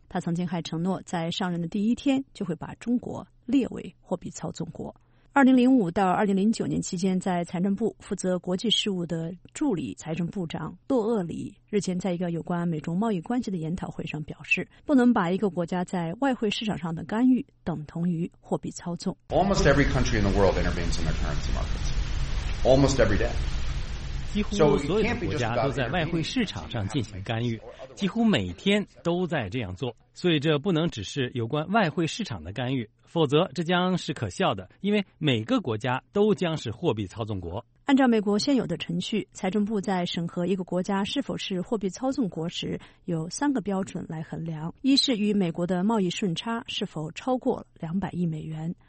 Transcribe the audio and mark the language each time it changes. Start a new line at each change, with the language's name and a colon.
Chinese: 他曾经还承诺在上任的第一天就会把中国列为货币操纵国。 2005到2009年期间，在财政部负责国际事务的助理财政部长洛厄里日前在一个有关美中贸易关系的研讨会上表示，不能把一个国家在外汇市场上的干预等同于货币操纵。
English: Almost every country in the world intervenes in their currency markets. Almost every day.
Chinese: 几乎所有的国家都在外汇市场上进行干预，几乎每天都在这样做，所以这不能只是有关外汇市场的干预，否则这将是可笑的，因为每个国家都将是货币操纵国。按照美国现有的程序，财政部在审核一个国家是否是货币操纵国时，有三个标准来衡量：一是与美国的贸易顺差是否超过200亿美元。